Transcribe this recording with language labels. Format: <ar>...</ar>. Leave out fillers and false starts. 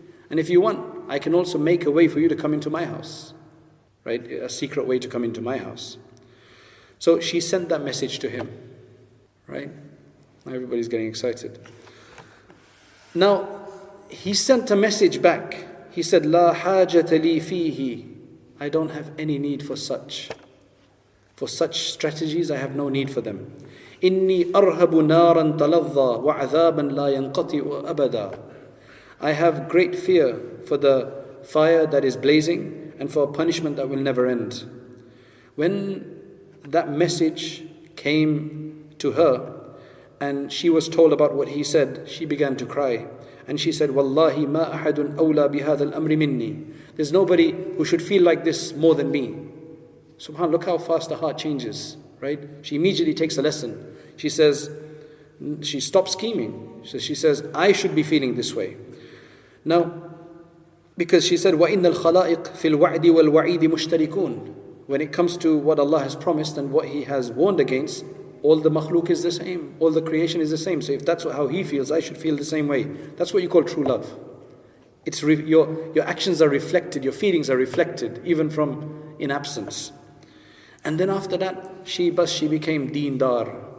<en>And if you want, I can also make a way for you to come into my house. Right? A secret way to come into my house. So she sent that message to him. Right? Everybody's getting excited. Now, he sent a message back. He said,</en> <ar>لَا حَاجَةَ لِي فِيهِ.</ar> <en>I don't have any need for such. For such strategies, I have no need for them.</en> <ar>إِنِّي أَرْهَبُ نَارًا تَلَظَّى وَعَذَابًا لَا يَنْقَطِئُ أَبَدًا.</ar> <en>I have great fear for the fire that is blazing and for a punishment that will never end. When that message came to her and she was told about what he said, she began to cry. And she said,</en> <ar>وَاللَّهِ مَا أَحَدٌ أَوْلَى بِهَذَا الْأَمْرِ مِنِّي.</ar> <en>There's nobody who should feel like this more than me. Subhan, look how fast the heart changes, right? She immediately takes a lesson. She says, she stops scheming. So she says, I should be feeling this way. Now, because she said,</en> <ar>وَإِنَّ الْخَلَائِقْ فِي الْوَعْدِ وَالْوَعِيدِ مُشْتَرِكُونَ.</ar> <en>When it comes to what Allah has promised and what He has warned against, all the makhluk is the same. All the creation is the same. So if that's how he feels, I should feel the same way. That's what you call true love. It's your actions are reflected. Your feelings are reflected. Even from in absence. And then after that, she became deendar.</en>